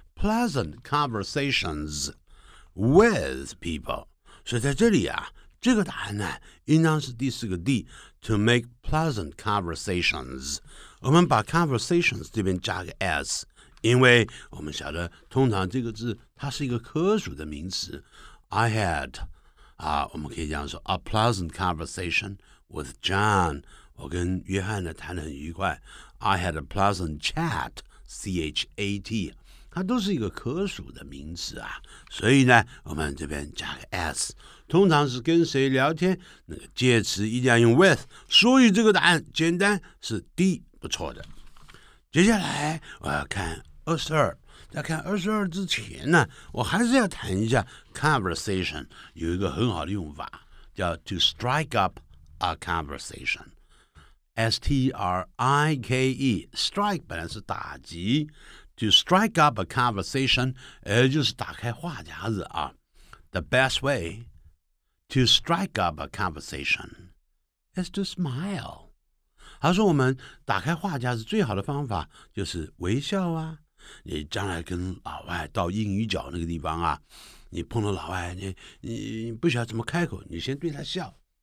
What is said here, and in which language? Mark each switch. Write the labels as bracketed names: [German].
[English] Pleasant conversations with people. [Chinese] 所以在这里啊，这个答案呢，应当是第四个 D. [English] To make pleasant conversations. [Chinese] 我们把 conversations 这边加个 S， 因为我们晓得通常这个字它是一个可数的名词。 [English] I had [Chinese] 啊，我们可以这样说 [English] a pleasant conversation with John. [Chinese] 我跟约翰呢谈得很愉快。 [English] I had a pleasant chat. C-H-A-T. [Chinese] 它都是一个可数的名词啊，所以呢，我们这边加个 s， 通常是跟谁聊天，那个介词一定要用 with， 所以这个答案简单是 D， 不错的。接下来我要看22，在看22之前呢，我还是要谈一下 conversation， 有一个很好的用法叫 [English] to strike up a conversation。 [Chinese] S-T-R-I-K-E， strike 本来是打击。 [English] To strike up a conversation, [Chinese] 就是打开话匣子啊。 [English] The best way to strike up a conversation is to smile. [Chinese] 他说我们打开话匣子最好的方法就是微笑啊。你将来跟老外到英语角那个地方啊，你碰到老外，你不晓得怎么开口，你先对他笑。